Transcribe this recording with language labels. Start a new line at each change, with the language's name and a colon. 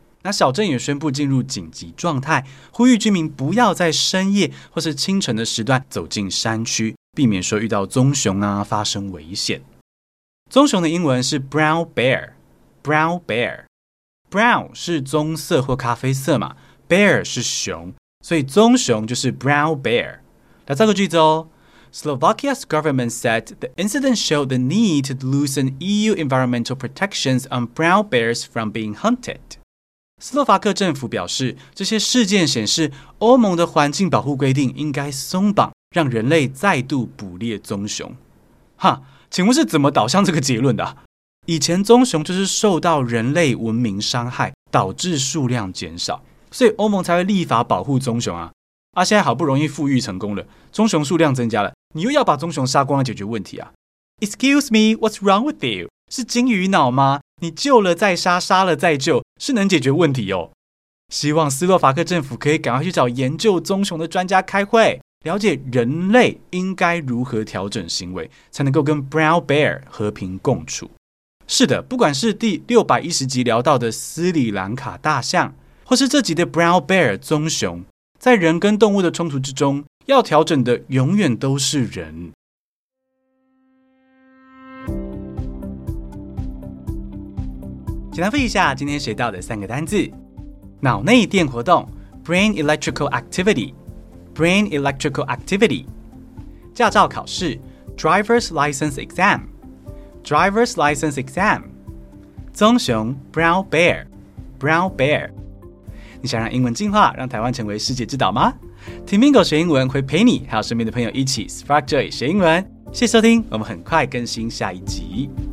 Chinese: 那小镇也宣布进入紧急状态，呼吁居民不要在深夜或是清晨的时段走进山区，避免说遇到棕熊啊发生危险。棕熊的英文是 brown bear， brown bear， brown 是棕色或咖啡色嘛， bear 是熊，所以棕熊就是 brown bear。来造个句子哦，
English: Slovakia's government said the incident showed the need to loosen EU environmental protections on brown bears from being hunted。
Chinese: 斯洛伐克政府表示，这些事件显示欧盟的环境保护规定应该松绑，让人类再度捕猎棕熊。哈，请问是怎么导向这个结论的啊？以前棕熊就是受到人类文明伤害，导致数量减少，所以欧盟才会立法保护棕熊啊。啊，现在好不容易复育成功了，棕熊数量增加了，你又要把棕熊杀光来解决问题啊？
English: Excuse me, what's wrong with you?
Chinese: 是金鱼脑吗？你救了再杀，杀了再救，是能解决问题哦？希望斯洛伐克政府可以赶快去找研究棕熊的专家开会，了解人类应该如何调整行为，才能够跟 brown bear 和平共处。是的，不管是第610集聊到的斯里兰卡大象，或是这集的 brown bear 棕熊，在人跟动物的冲突之中，要调整的永远都是人。简单复习一下今天学到的三个单字：脑内电活动 brain electrical activity， brain electrical activity； 驾照考试 driver's license exam， driver's license exam； 棕熊 brown bear， brown bear。你想让英文进化，让台湾成为世界之岛吗？听 Mingo 学英文会陪你还有身边的朋友一起 Spark Joy 学英文。谢谢收听，我们很快更新下一集。